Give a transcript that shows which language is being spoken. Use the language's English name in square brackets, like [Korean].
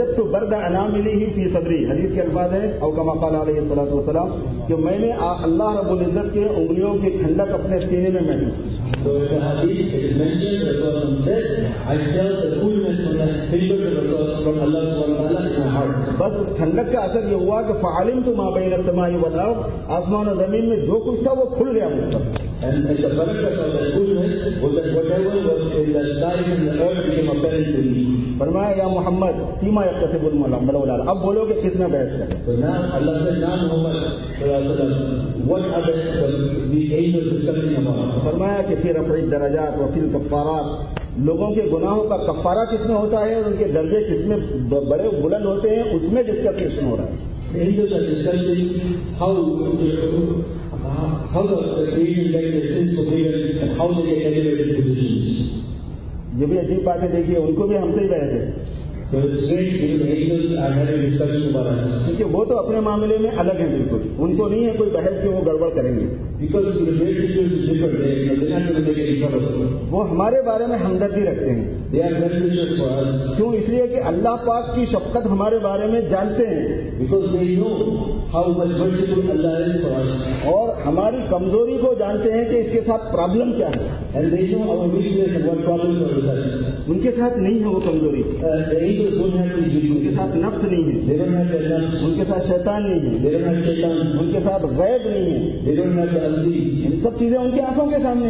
[Arabic] فَوَجَدْتُ بَرْدَ أَنَامِلِهِ فِي صَدْرِي [Urdu] حدیث کے الفاظ ہے او کما قال علیہ الصلوۃ والسلام کہ میں نے اللہ رب العزت کے انگلیوں کی ٹھنڈک اپنے سینے میں محسوس کی. [English] So in the hadith it is mentioned that the Prophet said, I felt the coolness from the fingers of Allah subhanahu wa ta'ala in my heart. [Urdu] بس ٹھنڈک کا اثر یہ ہوا کہ [Arabic] فَعَلِمْتُ مَا بَيْنَ السَّمَاءِ وَالْأَرْضِ [Urdu] آسمان و زمین میں جو کچھ تھا وہ کھل گیا مجھ پر. [English] And the barakah of that coolness was that whatever was in the sky and the earth became apparent to me. [Urdu] فرمایا [Arabic] یا محمد فیما یکتسب المرء ولو لعل. [Urdu] اب بولو کہ کس میں بحث کر. [English] So now Allah said, now Muhammad صلی اللہ علیہ وسلم, what are the angels discussing about? [Urdu] فرمایا کہ [Arabic] فی رفع الدرجات وفی الکفارات, [Urdu] لوگوں کے گناہوں کا کفارہ کس میں ہوتا ہے اور ان کے درجے کس میں بڑے بلند ہوتے ہیں اس میں جس کا کس میں ہو رہا ہے. [English] Angels are discussing how the creation gets its sins forgiven and how they get elevated positions. [Urdu] جو بھی عجیب باتیں دیکھیے ان کو بھی ہم سے ہی بحث ہے. [English] So it's strange that the angels are having discussion about us. [Urdu] کیونکہ وہ تو اپنے معاملے میں الگ ہیں بالکل, ان کو نہیں ہے کوئی بحث کہ وہ گڑبڑ کریں گے. [English] Because the relationship is different, they are not going to make any trouble. [Urdu] وہ ہمارے بارے میں ہمدردی رکھتے ہیں. [English] They are beneficial for us. [Urdu] کیوں؟ اس لیے کہ اللہ پاک کی شفقت ہمارے بارے میں جانتے ہیں. [English] Because they know how much merciful Allah is for us. [Urdu] اور ہماری کمزوری کو جانتے ہیں کہ اس کے ساتھ پرابلم کیا ہے. [English] And they know our weakness and what problems are with us. [Urdu] ان کے ساتھ نہیں ہے وہ کمزوری. ان کے ساتھ نفس نہیں ہے. ان کے ساتھ شیطان نہیں ہے. ان کے ساتھ غیب نہیں ہے. ان سب چیزیں ان کی آنکھوں کے سامنے